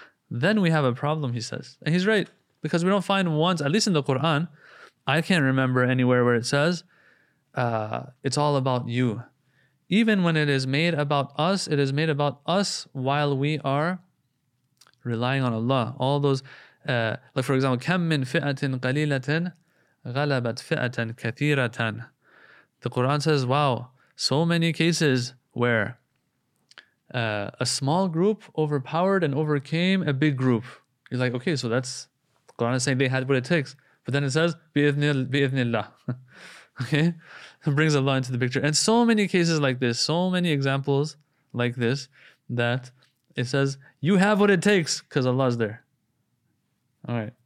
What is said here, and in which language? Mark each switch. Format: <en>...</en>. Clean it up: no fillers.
<en>Then we have a problem, he says. And he's right. Because we don't find once, at least in the Quran, I can't remember anywhere where it says, it's all about you. Even when it is made about us, it is made about us while we are relying on Allah. All those, like for example,</en> <ar>كَمْ مِنْ فِئَةٍ قَلِيلَةٍ غَلَبَتْ فِئَةً كَثِيرَةً.</ar> <en>The Quran says, wow, so many cases where a small group overpowered and overcame a big group. You're like, okay, so that's, the Quran is saying they had what it takes. But then it says,</en> <ar>بِإِذْنِ اللَّهِ.</ar> <en>Okay? It brings Allah into the picture. And so many cases like this, so many examples like this, that it says, you have what it takes because Allah is there. All right.</en>